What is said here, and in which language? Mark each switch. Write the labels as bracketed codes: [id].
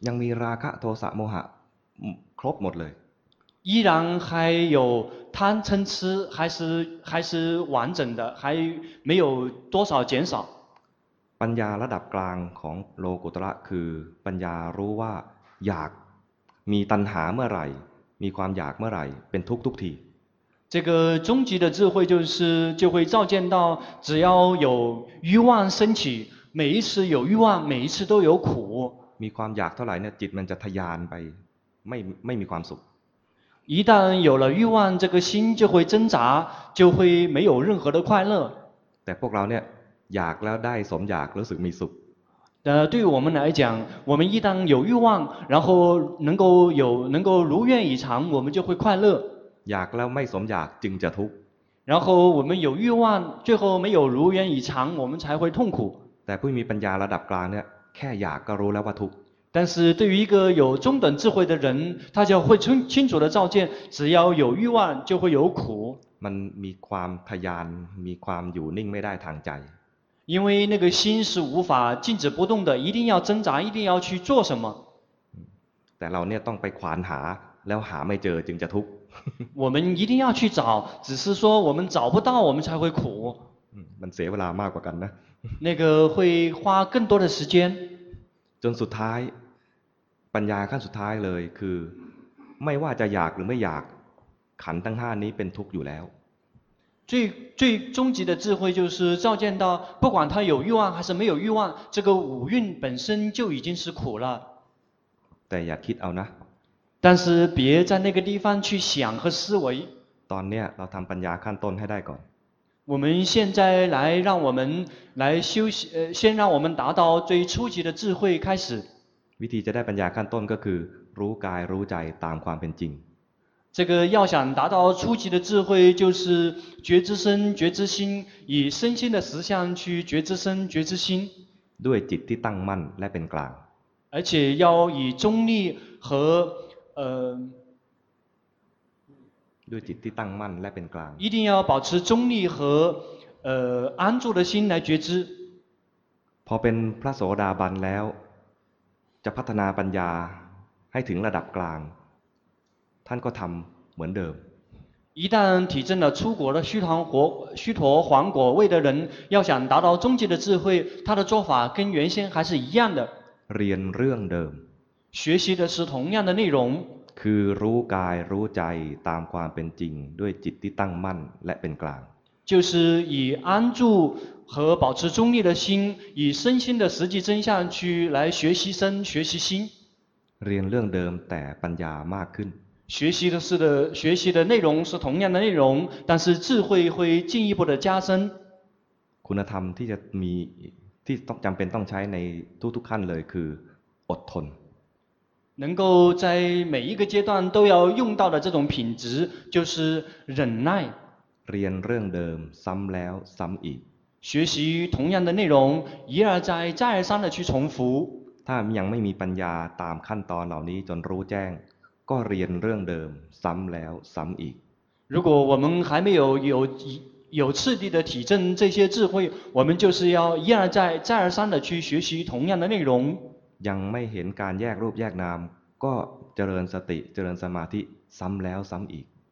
[th] ยังมีราคะโทสะโมหะครบหมดเลย [zh] 依然还有贪嗔痴还是完整的，还没有多少减少。 [th] ปัญญาระดับกลางของโลกุตระคือปัญญารู้ว่าอยากมีตัณหาเมื่อไหร่มีความอยากเมื่อไหร่เป็นทุกข์ทุกที [zh] 这个终极的智慧就会照见到只要有欲望升起每一次有欲望每一次都有苦 [th] มีความอยากเท่าไหร่เนี่ยจิตมันจะทยานไปไม่มีความสุข [zh] 一旦有了欲望这个心就会挣扎就会没有任何的快乐 [th] แต่พวกเราเนี่ยอยากแล้วได้สมอยากรู้สึกมีสุข [zh] 对于我们来讲，我们一旦有欲望，然后能够如愿以偿，我们就会快乐。 [th] อยากแล้วไม่สมอยากจึงจะทุกข์。 [zh] 然后我们有欲望，最后没有如愿以偿，我们才会痛苦。 [th] แต่ผู้มีปัญญาระดับกลางเนี่ยแค่อยากก็รู้แล้วว่าทุกข์。 [zh] 但是对于一个有中等智慧的人，他就会清楚的照见，只要有欲望就会有苦。 [th] มันมีความทยานมีความอยู่นิ่งไม่ได้ทางใจ。 [zh] 因为那个心是无法静止不动的，一定要挣扎，一定要去做什么。 [th] แต่เราเนี่ยต้องไปควานหาแล้วหาไม่เจอจึงจะทุกข์。 [zh] 我们一定要去找，只是说我们找不到，我们才会苦。 [th] มันเสียเวลามากกว่ากันนะ。 [zh] 那个会花更多的时间。 [th] จนสุดท้ายปัญญาขั้นสุดท้ายเลยคือไม่ว่าจะอยากหรือไม่อยากขันธ์ทั้งห้านี้เป็นทุกข์อยู่แล้ว。 [zh] 最终极的智慧就是照见到不管他有欲望还是没有欲望这个五蕴本身就已经是苦了 [th] แต่อย่าคิดเอานะ [zh] 但是别在那个地方去想和思维 [th] ตอนเนี้ยเราทำปัญญาขั้นต้นให้ได้ก่อน [zh] 我们现在来让我们来休息先让我们达到最初级的智慧开始 [th] วิธีจะได้ปัญญาขั้นต้นก็คือรู้กายรู้ใจตามความเป็นจริง [zh] 这个要想达到初级的智慧就是觉知身觉知心以身心的实相去觉知身觉知心 [th] ด้วยจิตที่ตั้งมั่นและเป็นกลาง [zh] 而且要以中立和 [th] ด้วยจิตที่ตั้งมั่นและเป็นกลาง [zh] 一定要保持中立和安住的心来觉知 [th] พอเป็นพระโสดาบันแล้วจะพัฒนาปัญญาให้ถึงระดับกลางท่านก็ทำเหมือนเดิม [zh] 一旦体证了出国的须陀洹果位的人要想达到终极的智慧他的做法跟原先还是一样的 [th] เรียนเรื่องเดิม [zh] 学习的是同样的内容 [th] คือรู้กายรู้ใจตามความเป็นจริงด้วยจิตที่ตั้งมั่นและเป็นกลาง [zh] 就是以安住和保持中立的心以身心的实际真相去来学习身学习心 [th] เรียนเรื่องเดิมแต่ปัญญามากขึ้น [zh] 学习的内容是同样的内容，但是智慧会进一步的加深。 [th] คุณธรรมที่จะมีที่ต้องจำเป็นต้องใช้ในทุกๆขั้นเลยคืออดทน。 [zh] 能够在每一个阶段都要用到的这种品质就是忍耐。 [th] เรียนเรื่องเดิมซ้ำแล้วซ้ำอีก。 [zh] 学习同样的内容，一而再，再而三的去重复。 [th] ถ้ายังไม่มีปัญญาตามขั้นตอนเหล่านี้จนรู้แจ้งก็เรียนเรื่องเดิมซ้ำแล้วซ้ำอีก [zh] 如果我们还没有有次第的体证这些智慧我们就是要一而再再而三的去学习同样的内容 [th] ยังไม่เห็นการแยกรูปแยกนามก็เจริญสติเจริญสมาธิซ้ำแล้วซ้ำอีก